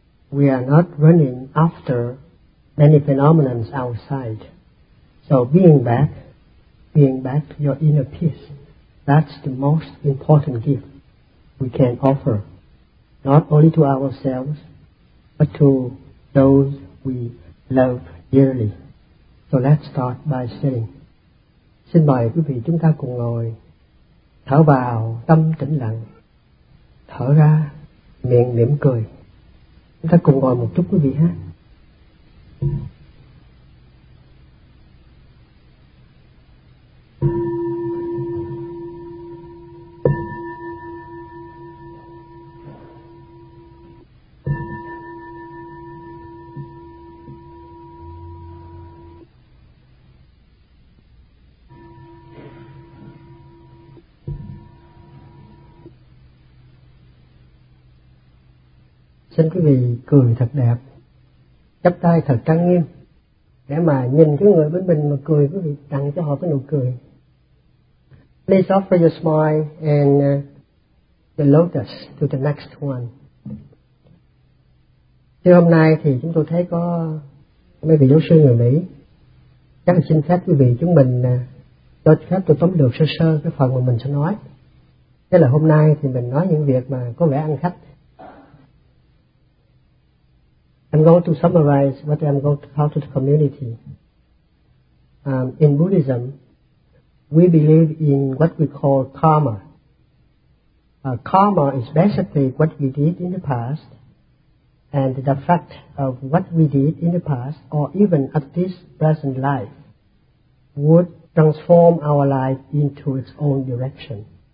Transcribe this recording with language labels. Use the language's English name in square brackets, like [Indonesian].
[English] We are not running after many phenomena outside. So being back to your inner peace, that's the most important gift we can offer, not only to ourselves, but to those we love dearly. So let's start by saying, [Vietnamese] xin mời quý vị chúng ta cùng ngồi, thở vào tâm tĩnh lặng, thở ra miệng mỉm cười. Chúng ta cùng ngồi một chút quý vị ha. Xin quý vị cười thật đẹp, chắp tay thật trang nghiêm, để mà nhìn cái người bên mình mà cười, quý vị tặng cho họ cái nụ cười. [English] Please offer your smile and the lotus to the next one. [Vietnamese] Thưa, hôm nay thì chúng tôi thấy có mấy vị giáo sư người Mỹ, chắc là xin phép quý vị chúng mình tôi khác tôi tóm được sơ sơ cái phần mà mình sẽ nói. Thế là hôm nay thì mình nói những việc mà có vẻ ăn khách. [English] I'm going to summarize what I'm going to talk to the community. In Buddhism, we believe in what we call karma. Karma is basically what we did in the past, and the fact of what we did in the past, or even at this present life, would transform our life into its own direction.